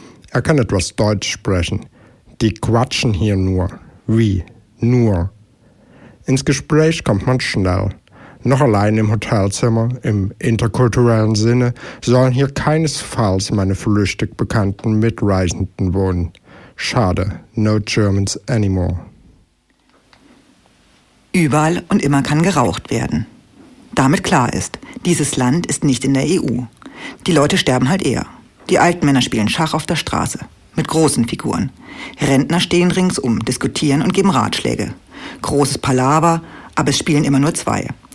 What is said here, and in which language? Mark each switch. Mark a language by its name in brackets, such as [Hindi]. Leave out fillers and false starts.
[German] Er kann etwas Deutsch sprechen. Die quatschen hier nur. Wie? Nur. Ins Gespräch kommt man schnell. Noch allein im Hotelzimmer, im interkulturellen Sinne, sollen hier keinesfalls meine flüchtig bekannten Mitreisenden wohnen. Schade, [English] no Germans anymore. [German] Überall und immer kann geraucht werden. Damit klar ist, dieses Land ist nicht in der EU. Die Leute sterben halt eher. Die alten Männer spielen Schach auf der Straße, mit großen Figuren. Rentner stehen ringsum, diskutieren und geben Ratschläge. Großes Palaver, aber es spielen immer nur zwei.